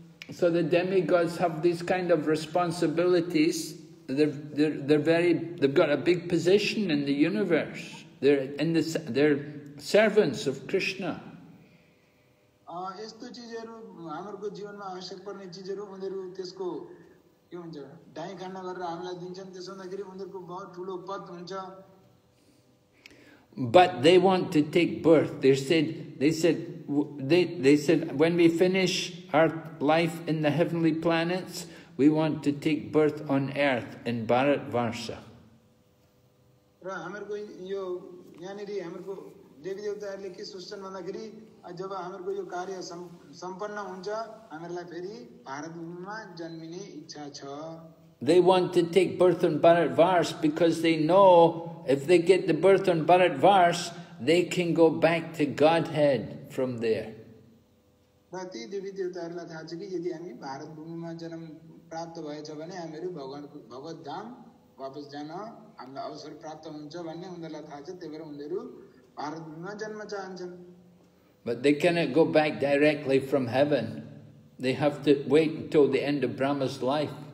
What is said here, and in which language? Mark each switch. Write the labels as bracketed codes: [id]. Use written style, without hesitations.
[en] So the demigods have these kind of responsibilities. They've got a big position in the universe. They're servants of Krishna. [ne] यस्तो चिजहरू हाम्रो जीवनमा आवश्यक पर्ने चिजहरू उनीहरू त्यसको के हुन्छ डाई खाना गरेर हामीलाई दिन्छन् त्यसो हुँदाखेरि उनीहरूको बहुत ठुलो पद हुन्छ [en] But they want to take birth. They said, when we finish our life in the heavenly planets, we want to take birth on earth in Bharat Varsha. [ne] र हाम्रो यो यहाँनिर हाम्रो देवी देवताहरूले के सोच्छन् भन्दाखेरि जब हाम्रो यो कार्य सम्पन्न हुन्छ हामीलाई फेरि भारत भूमिमा जन्मिने इच्छा छ [en] They want to take birth on Bharat Varsh because they know if they get the birth on Bharat Varsh, they can go back to Godhead from there. [ne] भक्ति देवी देवताहरूलाई थाहा छ कि यदि हामी भारत भूमिमा जन्म प्राप्त भएछ भने हामीहरू भगवानको भगवत धाम वापस जान हामीलाई अवसर प्राप्त हुन्छ भन्ने उनीहरूलाई थाहा छ त्यही भएर उनीहरू भारत भूमिमा जन्म चाहन्छन् [en] But they cannot go back directly from heaven. They have to wait until the end of Brahma's life.